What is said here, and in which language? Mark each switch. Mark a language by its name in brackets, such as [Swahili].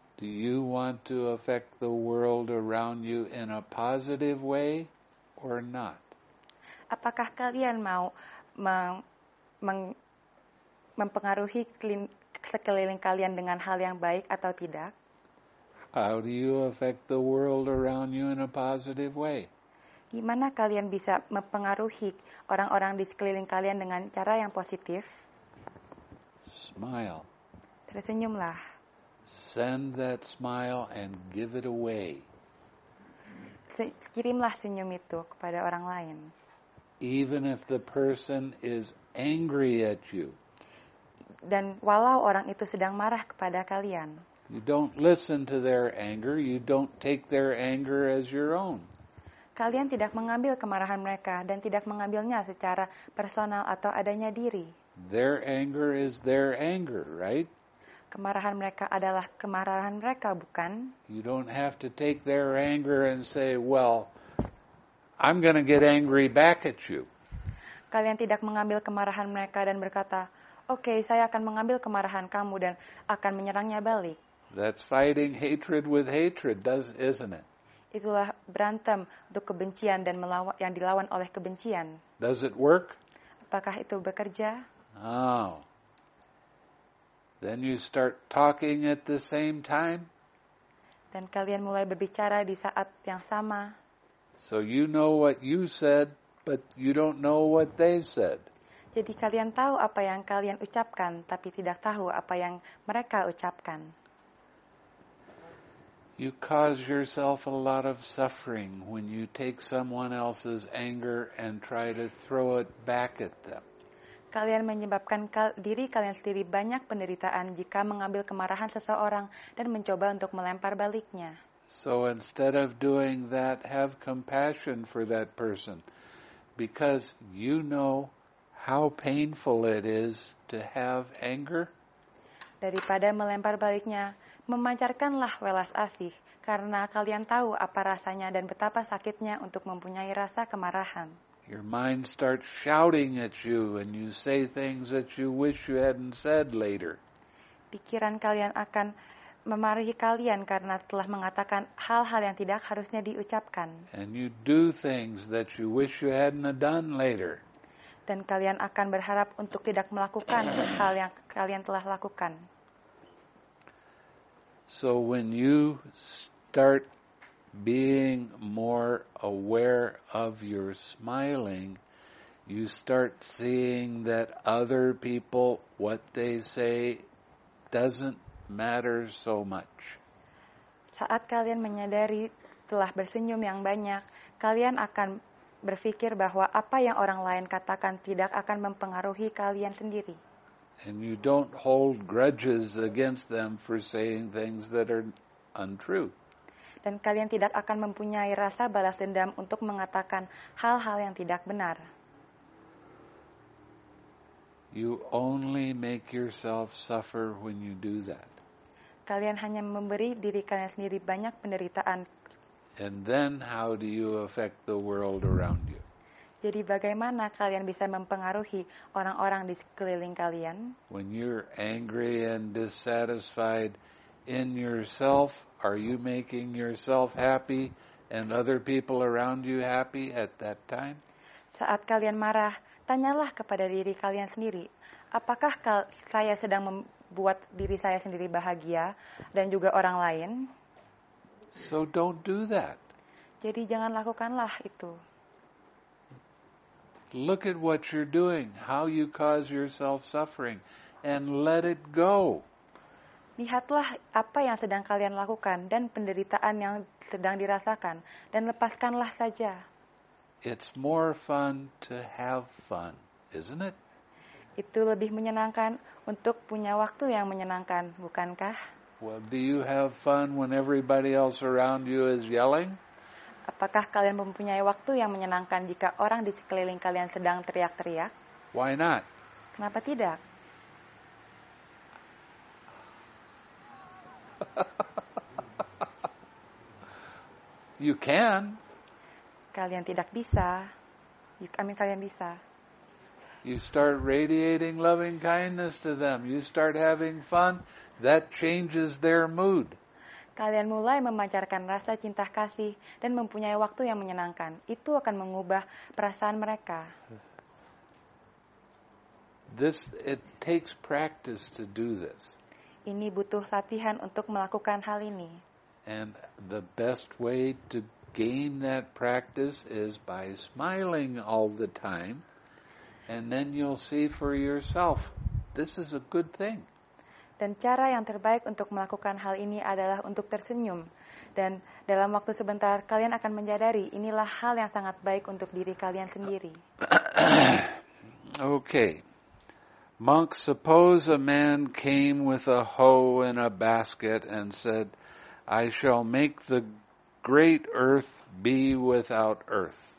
[English] Do you want to affect the world around you in a positive way or not? [Indonesian] Apakah kalian mau mempengaruhi sekeliling kalian dengan hal yang baik atau tidak? [English] How do you affect the world around you in a positive way? [Indonesian] Gimana kalian bisa mempengaruhi orang-orang di sekeliling kalian dengan cara yang positif? [English] Smile. [Indonesian] Tersenyumlah. [English] Send that smile and give it away. [Indonesian] Kirimlah senyum itu kepada orang lain. [English] Even if the person is angry at you. [Indonesian] Dan walau orang itu sedang marah kepada kalian. [English] You don't listen to their anger. You don't take their anger as your own. [Indonesian] Kalian tidak mengambil kemarahan mereka dan tidak mengambilnya secara personal atau adanya diri. [English] Their anger is their anger, right? [Indonesian] Kemarahan mereka adalah kemarahan mereka, bukan? [English] You don't have to take their anger and say, well, I'm going to get angry back at you. [Indonesian] Kalian tidak mengambil kemarahan mereka dan berkata, okay, saya akan mengambil kemarahan kamu dan akan menyerangnya balik. [English] That's fighting hatred with hatred, isn't it? [Indonesian] Itulah berantem untuk kebencian dan melawan yang dilawan oleh kebencian. [English] Does it work? [Indonesian] Apakah itu bekerja? Oh. [English] Then you start talking at the same time. [Indonesian] Dan kalian mulai berbicara di saat yang sama. [English] So you know what you said, but you don't know what they said. [Indonesian] Jadi kalian tahu apa yang kalian ucapkan, tapi tidak tahu apa yang mereka ucapkan. [English] You cause yourself a lot of suffering when you take someone else's anger and try to throw it back at them. [Indonesian] Kalian menyebabkan diri kalian sendiri banyak penderitaan jika mengambil kemarahan seseorang dan mencoba untuk melempar baliknya. [English] So instead of doing that, have compassion for that person because you know how painful it is to have anger. [Indonesian] Daripada melempar baliknya, memancarkanlah welas asih, karena kalian tahu apa rasanya dan betapa sakitnya untuk mempunyai rasa kemarahan. [English] Your mind starts shouting at you and you say things that you wish you hadn't said later. [Indonesian] Pikiran kalian akan memarahi kalian karena telah mengatakan hal-hal yang tidak harusnya diucapkan. [English] And you do things that you wish you hadn't done later. [Indonesian] Dan kalian akan berharap untuk tidak melakukan hal yang kalian telah lakukan. [English] So when you start being more aware of your smiling, you start seeing that other people, what they say, doesn't matter so much. [Indonesian] Saat kalian menyadari telah bersenyum yang banyak, kalian akan berpikir bahwa apa yang orang lain katakan tidak akan mempengaruhi kalian sendiri. [English] And you don't hold grudges against them for saying things that are untrue. [Indonesian] Dan kalian tidak akan mempunyai rasa balas dendam untuk mengatakan hal-hal yang tidak benar. [English] You only make yourself suffer when you do that. [Indonesian] Kalian hanya memberi diri kalian sendiri banyak penderitaan. [English] And then how do you affect the world around you? [Indonesian] Jadi bagaimana kalian bisa mempengaruhi orang-orang di sekeliling kalian? [English] When you're angry and dissatisfied in yourself, are you making yourself happy and other people around you happy at that time? [Indonesian] Saat kalian marah, tanyalah kepada diri kalian sendiri, apakah saya sedang membuat diri saya sendiri bahagia dan juga orang lain? [English] So don't do that. [Indonesian] Jadi jangan lakukanlah itu. [English] Look at what you're doing, how you cause yourself suffering, and let it go. [Indonesian] Lihatlah apa yang sedang kalian lakukan dan penderitaan yang sedang dirasakan, dan lepaskanlah saja. [English] It's more fun to have fun, isn't it? [Indonesian] Itu lebih menyenangkan untuk punya waktu yang menyenangkan, bukankah? [English] Well, do you have fun when everybody else around you is yelling? [Indonesian] Apakah kalian mempunyai waktu yang menyenangkan jika orang di sekeliling kalian sedang teriak-teriak? [English] Why not? [Indonesian] Kenapa tidak? [English] You can. [Indonesian] Kalian tidak bisa. Kalian bisa. [English] You start radiating loving kindness to them. You start having fun. That changes their mood. [Indonesian] Kalian mulai memancarkan rasa cinta kasih dan mempunyai waktu yang menyenangkan. Itu akan mengubah perasaan mereka. [English] It takes practice to do this. [Indonesian] Ini butuh latihan untuk melakukan hal ini. [English] And the best way to gain that practice is by smiling all the time. And then you'll see for yourself, this is a good thing. [Indonesian] Dan cara yang terbaik untuk melakukan hal ini adalah untuk tersenyum. Dan dalam waktu sebentar, kalian akan menyadari inilah hal yang sangat baik untuk diri kalian sendiri. [English] Okay. Monk, suppose a man came with a hoe in a basket and said, I shall make the great earth be without earth.